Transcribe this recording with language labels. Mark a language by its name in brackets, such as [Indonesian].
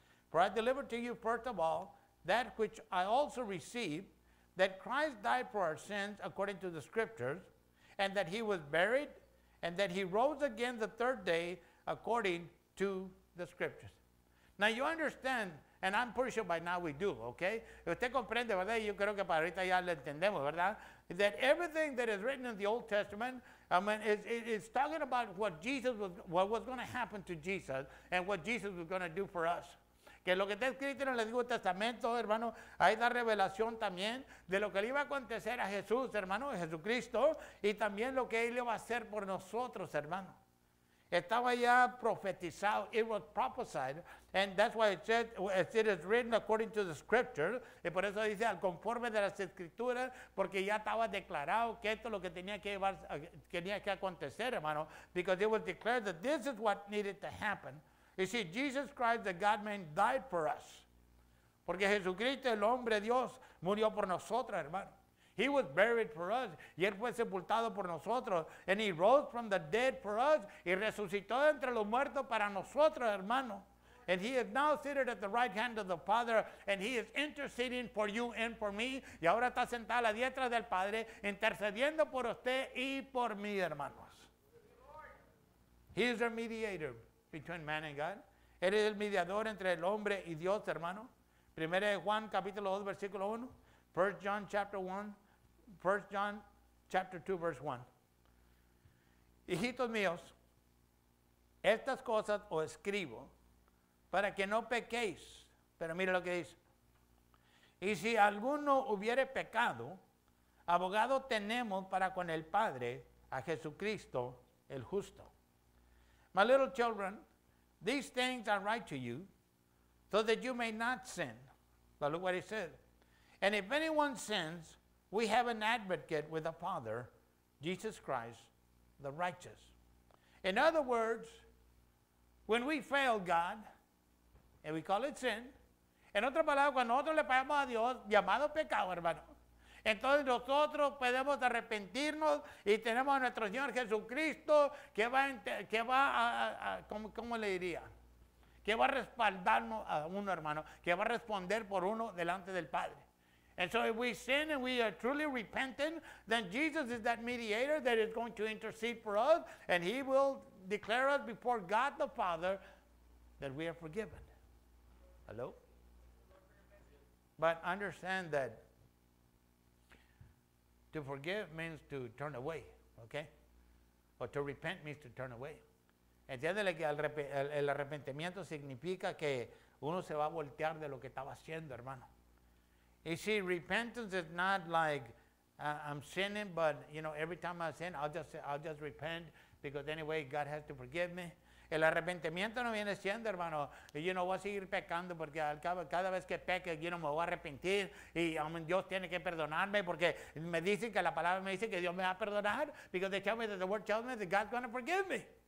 [English] For I delivered to you first of all that which I also received, that Christ died for our sins according to the Scriptures, and that he was buried, and that he rose again the third day according to the Scriptures. Now you understand, and I'm pretty sure by now we do, okay? [Spanish] Usted comprende, ¿verdad? Yo creo que para ahorita ya lo entendemos, ¿verdad? [English] That everything that is written in the Old Testament, I mean, it's talking about what was going to happen to Jesus and what Jesus was going to do for us. [Spanish] Que lo que está escrito en el Antiguo Testamento, hermano, hay la revelación también de lo que le iba a acontecer a Jesús, hermano, a Jesucristo, y también lo que él iba a hacer por nosotros, hermano. Estaba ya profetizado, [English] it was prophesied, and that's why it says, it is written according to the Scripture, [Spanish] y por eso dice, al conforme de las Escrituras, porque ya estaba declarado que esto es lo que tenía que acontecer, hermano, [English] because it was declared that this is what needed to happen. You see, Jesus Christ, the God-man, died for us. [Spanish] Porque Jesucristo, el hombre Dios, murió por nosotros, hermano. [English] He was buried for us. [Spanish] Y él fue sepultado por nosotros. [English] And he rose from the dead for us. [Spanish] Y resucitó entre los muertos para nosotros, hermano. [English] And he is now seated at the right hand of the Father. And he is interceding for you and for me. [Spanish] Y ahora está sentado a la diestra del Padre, intercediendo por usted y por mí, hermanos. [English] He is our mediator between man and God. [Spanish] Él es el mediador entre el hombre y Dios, hermano. Primera de Juan, capítulo 2, versículo 1. [English] 1 John chapter 1, 1 John chapter 2, verse 1. [Spanish] Hijitos míos, estas cosas os escribo para que no pequéis. Pero mire lo que dice. Y si alguno hubiere pecado, abogado tenemos para con el Padre, a Jesucristo el justo. [English] My little children, these things I write to you so that you may not sin. But look what he said. And if anyone sins, we have an advocate with the Father, Jesus Christ, the righteous. In other words, when we fail God, and we call it sin, [Spanish] en otra palabra, cuando nosotros le pagamos a Dios, llamado pecado, hermano, entonces nosotros podemos arrepentirnos y tenemos a nuestro Señor Jesucristo que va a respaldarnos a uno, hermano, que va a responder por uno delante del Padre. [English] And so if we sin and we are truly repentant, then Jesus is that mediator that is going to intercede for us, and he will declare us before God the Father that we are forgiven. Hello? But understand that to forgive means to turn away, okay? Or to repent means to turn away. [Spanish] Entiéndele que el arrepentimiento significa que uno se va a voltear de lo que estaba haciendo, hermano. [English] You see, repentance is not like I'm sinning, but you know, every time I sin, I'll just repent because anyway, God has to forgive me. [Spanish] El arrepentimiento no viene siendo, hermano, you know, voy a seguir pecando porque al cabo, cada vez que peque, you know, me voy a arrepentir y Dios tiene que perdonarme porque me dicen que la palabra me dice que Dios me va a perdonar [English] because they tell me that the word tells me that God's going to forgive me.